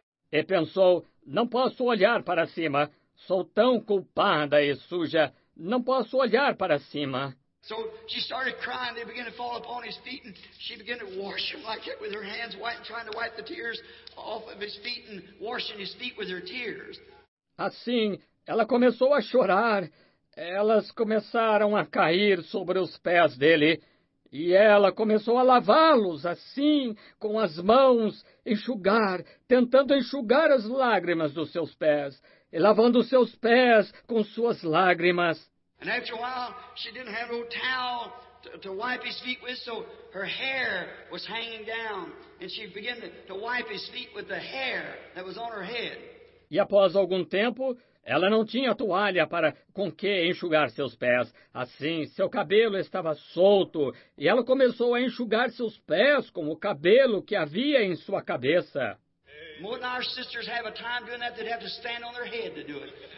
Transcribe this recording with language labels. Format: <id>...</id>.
<pt>E pensou, "Não posso olhar para cima. Sou tão culpada e suja. Não posso olhar para cima."</pt> <en>So she started crying. They began to fall upon his feet, and she began to wash him like it with her hands, white, trying to wipe the tears off of his feet and washing his feet with her tears.</en> <pt>Assim, ela começou a chorar. Elas começaram a cair sobre os pés dele, e ela começou a lavá-los assim, com as mãos, enxugar, tentando enxugar as lágrimas dos seus pés, e lavando os seus pés com suas lágrimas.</pt> <en>And after a while, she didn't have no towel to wipe his feet with, so her hair was hanging down. And she began to wipe his feet with the hair that was on her head.</en> <pt>E após algum tempo, ela não tinha toalha para com que enxugar seus pés. Assim, seu cabelo estava solto, e ela começou a enxugar seus pés com o cabelo que havia em sua cabeça.</pt> <en>More than our sisters have a time doing that, they'd have to stand on their head to do it.</en>